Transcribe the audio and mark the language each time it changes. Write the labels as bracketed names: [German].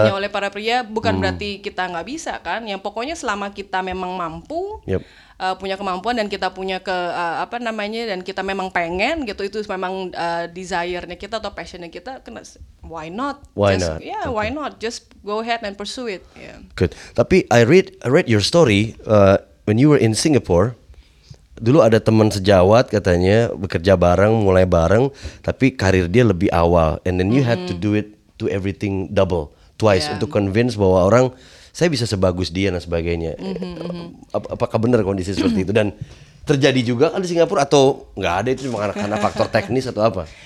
[Indonesian] hanya oleh para pria, bukan berarti kita nggak bisa kan, yang pokoknya selama kita memang mampu, punya kemampuan, dan kita punya dan kita memang pengen gitu, itu memang desire-nya kita atau passion-nya kita, kena [English] why not just go ahead and pursue it. Yeah. Good. [Indonesian] Tapi [English] I read your story when you were in Singapore. [Indonesian] Dulu ada teman sejawat katanya bekerja bareng, mulai bareng, tapi karir dia lebih awal, [English] and then you had to do it to everything double twice [Indonesian] untuk convince bahwa orang saya bisa sebagus dia dan sebagainya. Apakah benar kondisi seperti itu, dan terjadi juga kan di Singapura atau nggak ada, itu cuma karena faktor teknis atau apa?